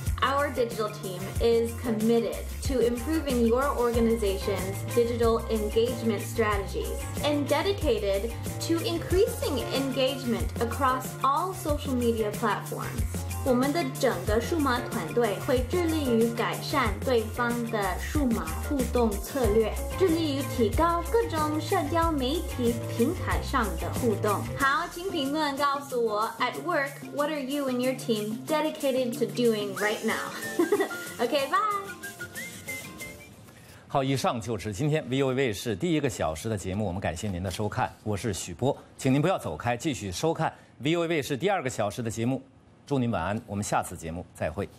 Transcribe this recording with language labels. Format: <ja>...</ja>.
<en>Our digital team is committed to improving your organization's digital engagement strategies and dedicated to increasing engagement across all social media platforms.</en> <zh>我们的整个数码团队会致力于改善对方的数码互动策略，致力于提高各种社交媒体平台上的互动。好，请评论告诉我</zh> <en>,at work, what are you and your team dedicated to doing right now? OK, bye.</en> <zh>好，以上就是今天 VOA 卫视第一个小时的节目，我们感谢您的收看，我是许波，请您不要走开，继续收看 VOA 卫视第二个小时的节目，祝您晚安，我们下次节目再会。</zh>